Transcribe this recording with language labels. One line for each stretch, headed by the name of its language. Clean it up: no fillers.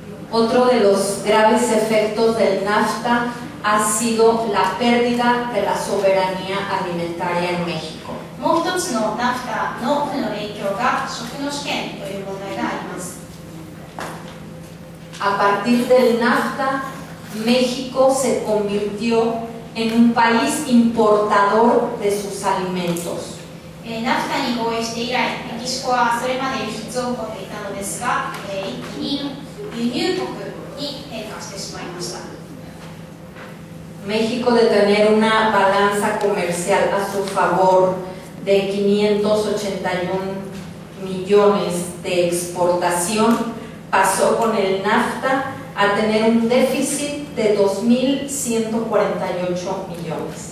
Spanish: Otro de los graves efectos del NAFTA ha sido la pérdida de la soberanía alimentaria en México.
Japanese: もう一つのナフタの負の影響が食の試験という問題があります。
Spanish: A partir del NAFTA, México se convirtió en un país importador de sus alimentos.
Japanese: NAFTA に合意して以来、メキシコはそれまで輸出を誇っていたのですが、一気に輸入国に変化してしまいました。
Spanish: México de tener una balanza comercial a su favor de 581 millones de exportación pasó con el NAFTA a tener un déficit de 2.148 millones.